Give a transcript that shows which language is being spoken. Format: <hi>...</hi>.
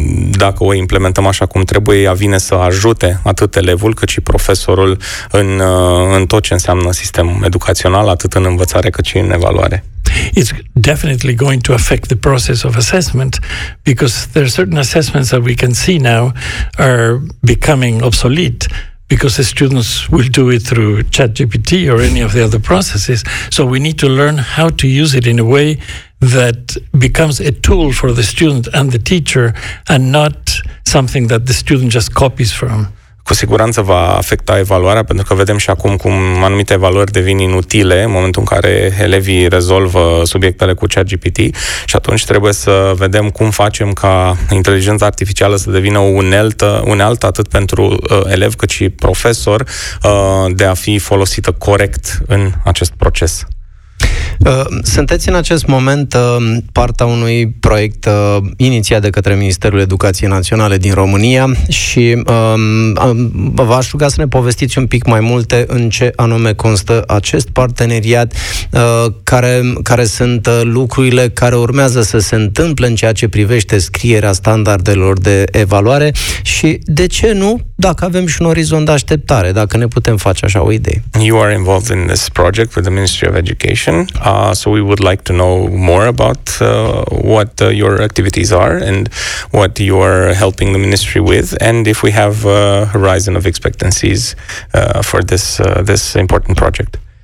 <ro>Dacă o implementăm așa cum trebuie, ea vine să ajute atât elevul cât și profesorul în tot ce înseamnă sistemul educațional, atât în învățare cât și în evaluare.</ro> <en>It's definitely going to affect the process of assessment because there are certain assessments that we can see now are becoming obsolete. Because the students will do it through ChatGPT or any of the other processes. So we need to learn how to use it in a way that becomes a tool for the student and the teacher and not something that the student just copies from.</en> <ro>Cu siguranță va afecta evaluarea, pentru că vedem și acum cum anumite evaluări devin inutile în momentul în care elevii rezolvă subiectele cu ChatGPT și atunci trebuie să vedem cum facem ca inteligența artificială să devină o unealtă atât pentru elev cât și profesor de a fi folosită corect în acest proces. Sunteți în acest moment partea unui proiect inițiat de către Ministerul Educației Naționale din România și v-aș ruga să ne povestiți un pic mai multe în ce anume constă acest parteneriat, care sunt lucrurile care urmează să se întâmple în ceea ce privește scrierea standardelor de evaluare și de ce nu, dacă avem și un orizont de așteptare, dacă ne putem face așa o idee.</ro> <en>You are involved in this project with the Ministry of Education. So we would like to know more about what your activities are and what you are helping the ministry with, and if we have a horizon of expectancies for this this important project.</en>